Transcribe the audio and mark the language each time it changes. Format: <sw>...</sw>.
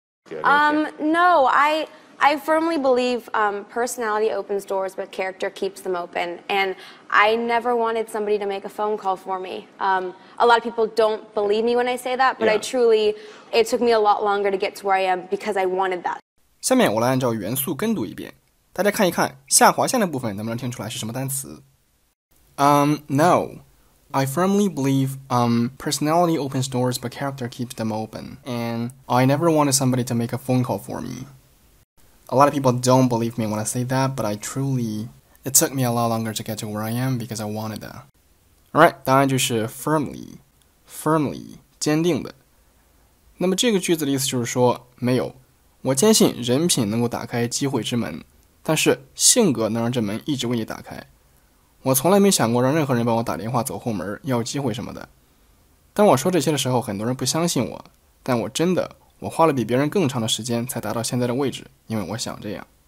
<en>No, I firmly believe personality opens doors, but character keeps them open. And I never wanted somebody to make a phone call for me. A lot of people don't believe me when I say that, but yeah. I truly, it took me a lot longer to get to where I am because I wanted that.</en> <zh>下面我来按照原速跟读一遍，大家看一看下划线的部分能不能听出来是什么单词。</zh> <en>No, I firmly believe personality opens doors, but character keeps them open. And I never wanted somebody to make a phone call for me. A lot of people don't believe me when I say that, but I truly... It took me a lot longer to get to where I am because I wanted that.</en> <zh>Alright, 答案就是 firmly. Firmly, 坚定的。那么这个句子的意思就是说，没有，我坚信人品能够打开机会之门，但是性格能让这门一直为你打开。我从来没想过让任何人帮我打电话走后门，要机会什么的。当我说这些的时候，很多人不相信我，但我真的我花了比别人更长的时间才达到现在的位置，因为我想这样。</zh>